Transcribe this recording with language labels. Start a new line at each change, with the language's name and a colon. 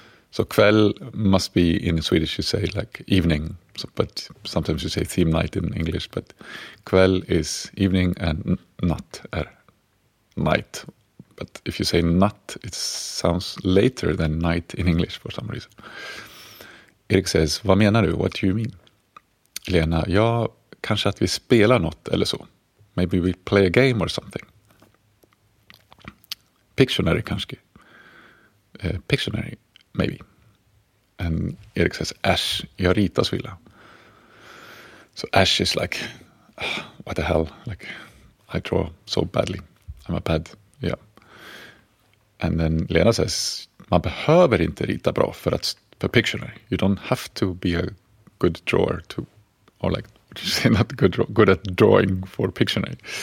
English: So kväll must be, in Swedish you say like evening, so, but sometimes you say theme night in English, but kväll is evening and
Swedish: natt är
English: night. But if you say natt, it sounds later than night in English for some reason. Erik says,
Swedish: vad menar du?
English: What do you mean?
Swedish: Lena, ja, kanske att vi spelar något eller så.
English: Maybe we play a game or something.
Swedish: Pictionary kanske. Pictionary.
English: Maybe. And Erik says, ash,
Swedish: jag ritar så illa.
English: So ash is like, what the hell? Like, I draw so badly. I'm a bad, yeah.
Swedish: And then Lena says, man behöver inte rita bra för att, för Pictionary.
English: You don't have to be a good drawer to, or like, what did you say, not good, good at drawing for Pictionary.